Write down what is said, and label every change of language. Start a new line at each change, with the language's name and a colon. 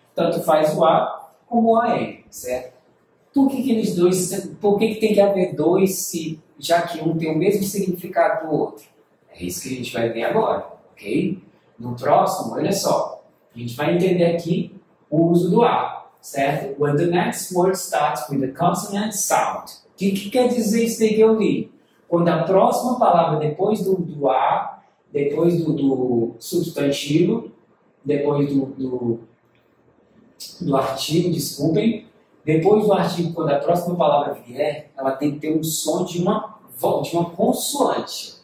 Portuguese: Tanto faz o A como o AM, certo? Por que tem que haver dois se já que um tem o mesmo significado do outro? É isso que a gente vai ver agora, ok? No próximo, olha só, a gente vai entender aqui o uso do A, certo?
English: When the next word starts with a consonant sound.
Portuguese: O que quer dizer isso aí que eu li? Quando a próxima palavra depois do A, depois do substantivo, depois do artigo, desculpem. Depois do artigo, quando a próxima palavra vier, ela tem que ter um som de uma consoante.